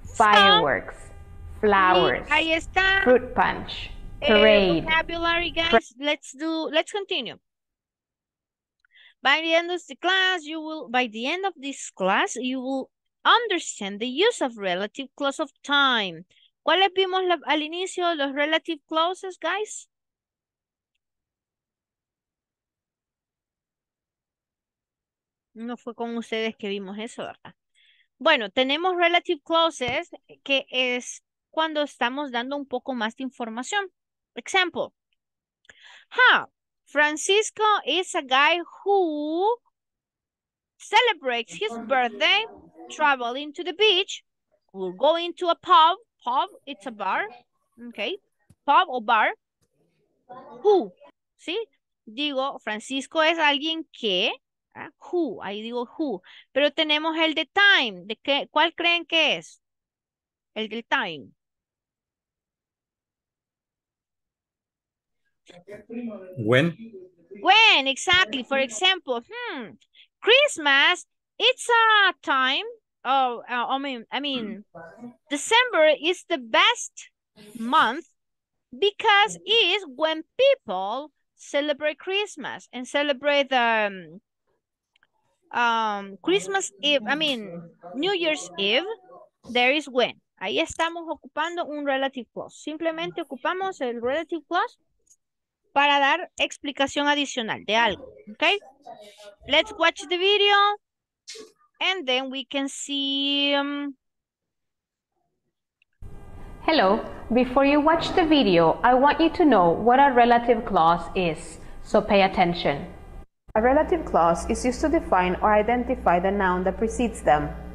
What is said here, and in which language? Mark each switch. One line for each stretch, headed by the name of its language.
English: Fireworks. Flowers.
Spanish: Ahí está.
English: Fruit punch. Parade. Vocabulary, guys. Let's continue. By the end of the class, you will understand the use of relative clause of time.
Spanish: ¿Cuáles vimos al inicio los relative clauses, guys? No fue con ustedes que vimos eso, ¿verdad? Bueno, tenemos relative clauses, que es cuando estamos dando un poco más de información.
English: Example. Francisco is a guy who celebrates his birthday traveling to the beach or going to a pub. Pub, it's a bar. Okay. Pub or bar. Who? ¿Sí?
Spanish: Digo, Francisco es alguien que. Who? Ahí digo who. Pero tenemos el de time. ¿De qué? ¿Cuál creen que es? El del time.
English: When exactly. For example, Christmas, it's a time of I mean December is the best month because it's when people celebrate Christmas and celebrate the Christmas Eve, I mean New Year's Eve. There is when.
Spanish: Ahí estamos ocupando un relative clause. Simplemente ocupamos el relative clause para dar explicación adicional de algo, okay?
English: Let's watch the video, and then we can see... Hello, before you watch the video, I want you to know what a relative clause is, so pay attention. A relative clause is used to define or identify the noun that precedes them.